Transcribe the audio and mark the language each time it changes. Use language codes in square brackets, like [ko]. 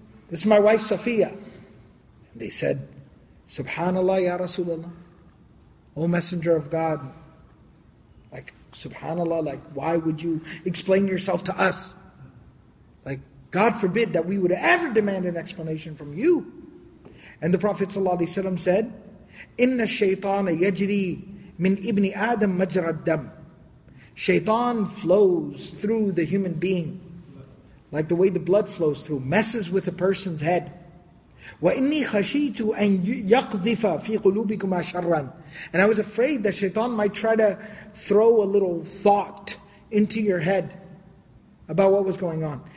[en] This is my wife, Safiyah. And they said, SubhanAllah, Ya Rasulullah. O Messenger of God. Like, SubhanAllah, like, why would you explain yourself to us? Like, God forbid that we would ever demand an explanation from you. And the Prophet ﷺ said, [ar] إِنَّ الشَّيْطَانَ يَجْرِي مِنْ إِبْنِ آدَمْ مَجْرَ الدَّمْ. [en] Shaitan flows through the human being, like the way the blood flows through, messes with a person's head. [ar] وَإِنِّي خَشِيتُ أَنْ يَقْذِفَ فِي قُلُوبِكُمَا شَرًّا. [en] And I was afraid that Shaitan might try to throw a little thought into your head about what was going on.